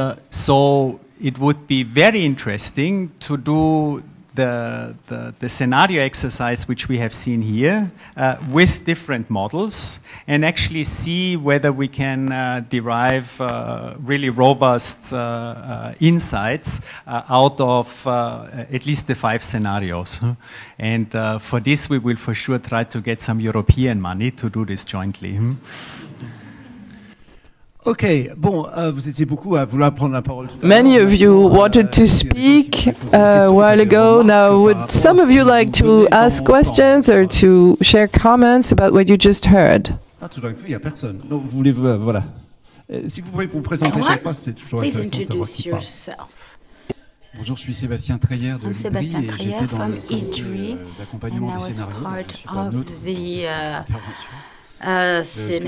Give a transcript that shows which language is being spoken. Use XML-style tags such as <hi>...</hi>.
<en>So it would be very interesting to do the scenario exercise which we have seen here with different models and actually see whether we can derive really robust insights out of at least the five scenarios. And for this we will for sure try to get some European money to do this jointly.</en> <fr>OK, bon, vous étiez beaucoup à vouloir prendre la parole.</fr> <en>Many of you wanted to speak a while ago. Now, would some of you like to ask questions or to share comments about what you just heard?</en> <fr>Ah, tout d'un coup, il n'y a personne. Donc, vous voulez, voilà. Si vous pouvez vous présenter, chaque fois, c'est toujours</fr> <en>please</en> <fr>intéressant de savoir qui parle. Bonjour, je suis Sébastien Treyer de l'IDRI, et j'étais dans l'accompagnement des scénarios, donc je suis pas neutre dans cette intervention.</fr>